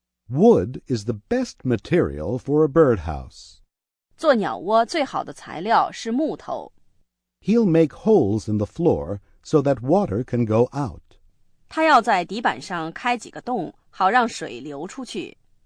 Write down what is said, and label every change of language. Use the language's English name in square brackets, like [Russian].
[English] Wood is the best material for a birdhouse. [Chinese] 做鸟窝最好的材料是木头。 [English] He'll make holes in the floor so that water can go out. [Chinese] 他要在底板上开几个洞，好让水流出去。